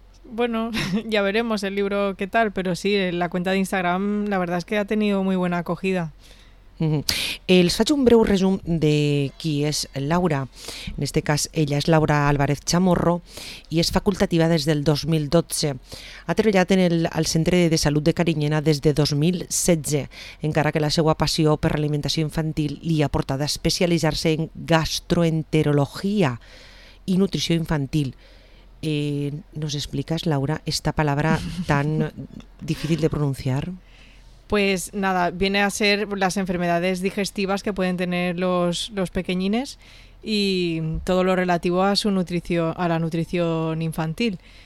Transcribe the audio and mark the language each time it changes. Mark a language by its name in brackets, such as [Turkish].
[Spanish] Bueno, ya veremos el libro qué tal, pero sí, la cuenta de Instagram la verdad es que ha tenido muy buena acogida. [Catalan] Els faig un breu resum de qui és Laura. En [Spanish] este [Catalan] cas, ella és Laura Álvarez Chamorro i és facultativa des del 2012. Ha treballat en el Centre de Salut de Carinyena des de 2016, encara que la seva passió per l'alimentació infantil li ha portat a especialitzar-se en gastroenterologia i nutrició infantil. [Spanish] ¿Nos explicas, Laura, esta palabra tan difícil de pronunciar? Pues nada, viene a ser las enfermedades digestivas que pueden tener los pequeñines y todo lo relativo a su nutrición, a la nutrición infantil.